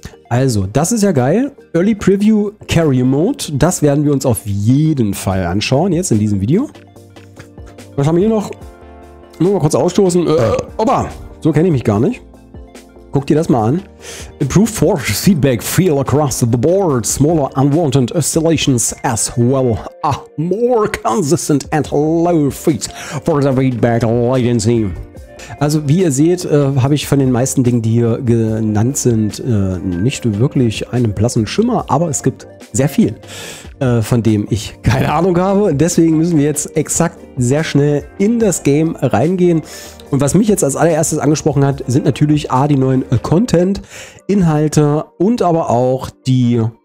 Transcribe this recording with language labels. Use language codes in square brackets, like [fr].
[de] Also, das ist ja geil. Early Preview Carrier Mode, das werden wir uns auf jeden Fall anschauen, jetzt in diesem Video. Was haben wir hier noch? Nur mal kurz ausstoßen. Opa, so kenne ich mich gar nicht. Guck dir das mal an. [en] Improved Force Feedback Feel Across the Board. Smaller Unwanted Oscillations as well. A more consistent and low feet for the feedback latency. [de] Also wie ihr seht, habe ich von den meisten Dingen, die hier genannt sind, nicht wirklich einen blassen Schimmer. Aber es gibt sehr viel, von dem ich keine Ahnung habe. Deswegen müssen wir jetzt exakt sehr schnell in das Game reingehen. Und was mich jetzt als allererstes angesprochen hat, sind natürlich A, die neuen Content-Inhalte und aber auch die...